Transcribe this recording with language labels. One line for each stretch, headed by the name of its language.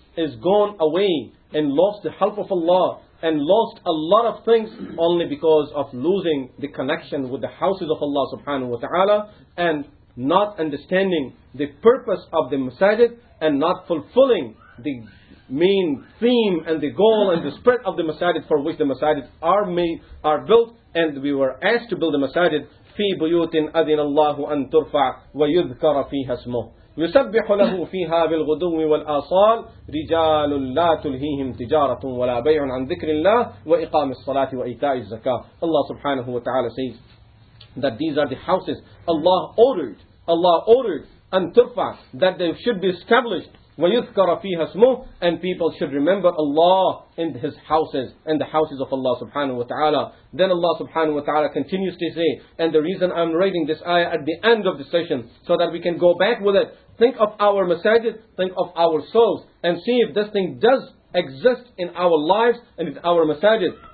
English: is gone away and lost the help of Allah and lost a lot of things only because of losing the connection with the houses of Allah subhanahu wa ta'ala and not understanding the purpose of the masajid and not fulfilling the main theme and the goal and the spread of the masajid for which the masajid are built. And we were asked to build the masajid.
Arabic: Fi buyutin adhina Allahu an turfa wa yudhkara fiha smuh. يسبح له فيها بالغدو والآصال رجال لا تلهيهم تجارة ولا بيع عن ذكر الله وإقام الصلاة وإيتاء الزكاة.
English: Allah subhanahu wa ta'ala says that these are the houses Allah ordered
Arabic: أن ترفع,
English: that they should be established.
Arabic: وَيُذْكَرَ فِيهَا اسْمُهُ,
English: and people should remember Allah in His houses, in the houses of Allah subhanahu wa ta'ala. Then Allah subhanahu wa ta'ala continues to say, and the reason I'm writing this ayah at the end of the session, so that we can go back with it, think of our masajid, think of our souls, and see if this thing does exist in our lives and in our masajid.